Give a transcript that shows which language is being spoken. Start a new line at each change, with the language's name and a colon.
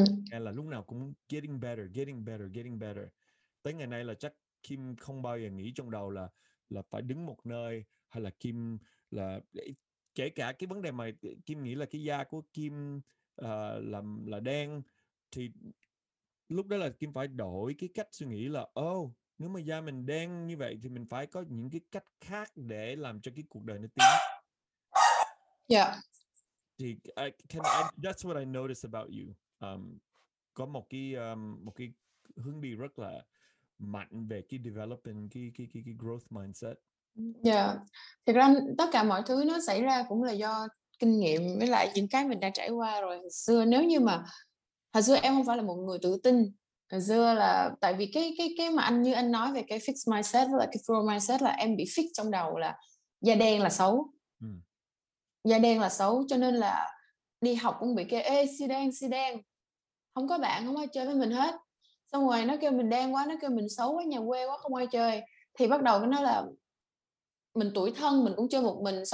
Vietnamese: Hay là lúc nào cũng
English: getting better, getting better, getting better.
Vietnamese: Tới ngày nay là chắc Kim không bao giờ nghĩ trong đầu là phải đứng một nơi, hay là Kim là kể cả cái vấn đề mà Kim nghĩ là cái da của Kim là đen, thì lúc đó là Kim phải đổi cái cách suy nghĩ là nếu mà da mình đen như vậy thì mình phải có những cái cách khác để làm cho cái cuộc đời nó tiến. Yeah.
English: Thì that's what I noticed about you.
Vietnamese: Có một cái hướng đi rất là mạnh về cái developing cái growth mindset. Thật ra tất cả mọi thứ nó xảy ra cũng là do kinh nghiệm với lại những cái mình đã trải qua rồi. Hồi xưa nếu như mà hồi xưa em không phải là một người tự tin, hồi xưa là tại vì cái mà anh như anh nói về cái fixed mindset là cái fixed mindset là em bị fix trong đầu là da đen là xấu, da đen là xấu, cho nên là đi học cũng bị kêu ê si đen không có bạn không ai chơi với mình hết, xong rồi nó kêu mình đen quá, nó kêu mình xấu quá, nhà quê quá không ai chơi, thì bắt đầu nó là mình tủi thân, mình cũng chơi một mình.